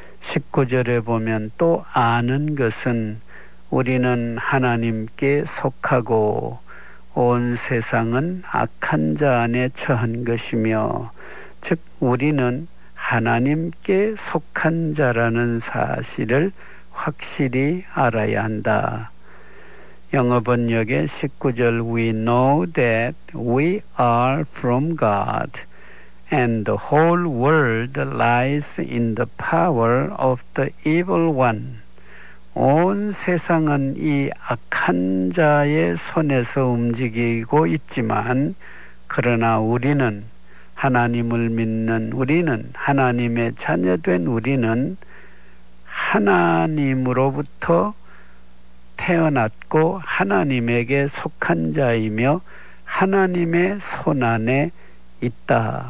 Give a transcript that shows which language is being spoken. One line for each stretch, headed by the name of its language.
Korean: 19절에 보면 또 아는 것은 우리는 하나님께 속하고 온 세상은 악한 자 안에 처한 것이며, 즉 우리는 하나님께 속한 자라는 사실을 확실히 알아야 한다. 영어 번역에
English: 19절 We know that we are from God and the whole world lies in the power of the evil one.
Korean: 온 세상은 이 악한 자의 손에서 움직이고 있지만, 그러나 우리는 하나님을 믿는 우리는, 하나님의 자녀된 우리는 하나님으로부터 태어났고 하나님에게 속한 자이며 하나님의 손 안에 있다.